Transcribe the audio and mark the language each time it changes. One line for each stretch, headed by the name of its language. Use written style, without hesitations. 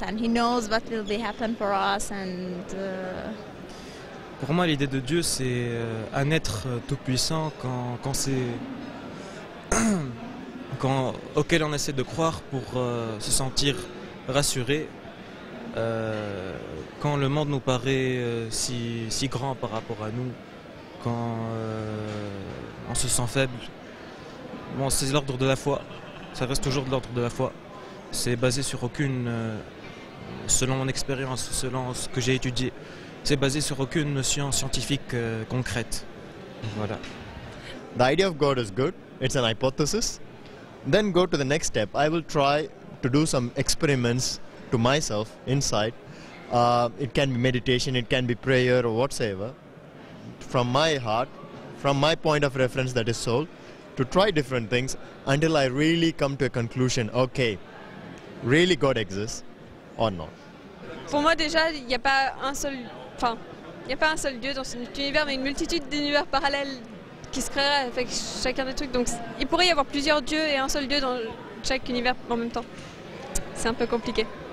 English: And he knows what will be happen for us. And
French: pour moi, l'idée de Dieu, c'est un être tout puissant quand c'est auquel on essaie de croire pour se sentir rassuré quand le monde nous paraît si grand par rapport à nous, quand on se sent faible. Bon, c'est l'ordre de la foi, ça reste toujours de l'ordre de la foi. C'est basé sur aucune, selon mon expérience, selon ce que j'ai étudié, c'est basé sur aucune notion scientifique concrète. Voilà.
English: The idea of God is good. It's an hypothesis. Then go to the next step. I will try to do some experiments to myself inside. It can be meditation, it can be prayer or whatsoever. From my heart, from my point of reference, that is soul, to try different things until I really come to a conclusion, okay, really God exists or not.
French: Pour moi déjà, il n'y a pas un seul, enfin, il n'y a pas un seul Dieu dans cet univers, mais une multitude d'univers parallèles qui se créerait avec chacun des trucs. Donc il pourrait y avoir plusieurs dieux et un seul dieu dans chaque univers en même temps. C'est un peu compliqué.